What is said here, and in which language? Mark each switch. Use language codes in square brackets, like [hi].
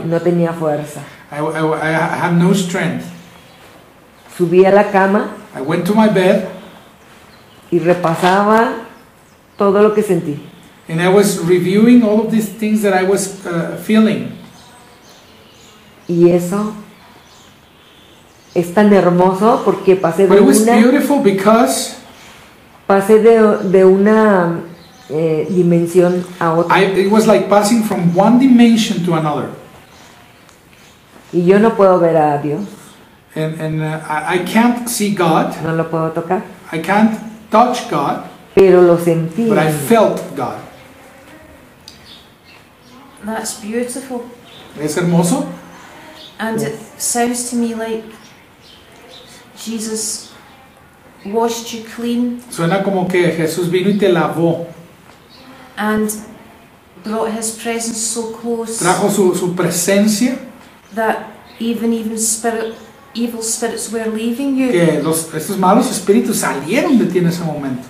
[es] No tenía fuerza. [en] I had no strength. [es] Subí a la cama. [en] I went to my bed. [es] Y repasaba todo lo que sentí. [en] And I was reviewing all of these things that I was feeling. [es] Y eso es tan hermoso porque pasé de una dimensión a otra. [en] It was like passing from one dimension to another. [es] Y yo no puedo ver a Dios. [en] And I can't see God. [es] No lo puedo tocar. [en] I can't touch God. [es] Pero lo sentí. [en] But I felt God. That's beautiful. [es] ¿Es hermoso? [en] And it sounds to me like Jesus washed you clean. [es] Suena como que Jesús vino y te lavó. [en] And brought his presence so close. [es] Trajo su presencia. [en] That evil spirits were leaving you. [es] Que estos malos espíritus salieron de ti en ese momento.